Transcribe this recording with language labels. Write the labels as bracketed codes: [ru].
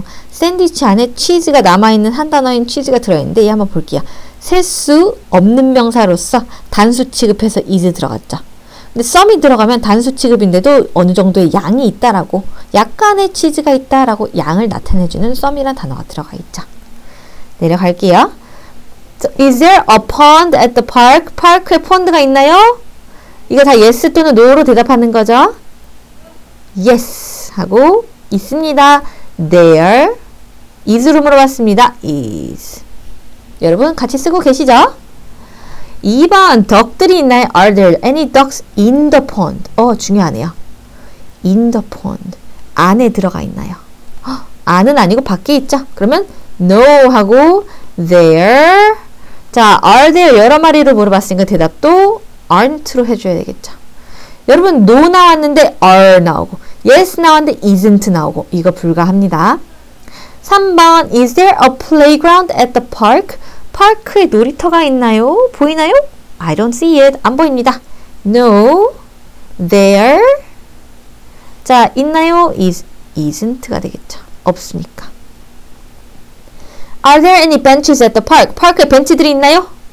[ko] 샌드위치 안에 치즈가 남아있는 한 단어인 치즈가 들어있는데 얘 한번 볼게요. 셀 수 없는 명사로서 단수 취급해서 is 들어갔죠. 근데 some이 들어가면 단수 취급인데도 어느 정도의 양이 있다라고 약간의 치즈가 있다라고 양을 나타내주는 some이란 단어가 들어가 있죠. 내려갈게요. [en] So, is there a pond at the park? [ko] 파크에 pond가 있나요? 이거 다 yes 또는 no로 대답하는 거죠. Yes 하고 있습니다. There is로 물어봤습니다. Is. 여러분 같이 쓰고 계시죠? 2번 덕들이 있나요? [en] Are there any ducks in the pond? [ko] 중요하네요. [en] In the pond. [ko] 안에 들어가 있나요? 안은 아니고 밖에 있죠? 그러면 no 하고 there. 자, are there 여러 마리로 물어봤으니까 대답도 aren't로 해줘야 되겠죠. 여러분 no 나왔는데 are 나오고 yes 나왔는데 isn't 나오고 이거 불가합니다. [en] 3번 is there a playground at the park? [ko] 파크에 놀이터가 있나요? 보이나요? [en] I don't see it. [ko] 안 보입니다. [en] No, there. [ko] 자, 있나요? isn't가 되겠죠. 없으니까. [en] Are there any benches at the park? [ko] 파크에 벤치들이 있나요?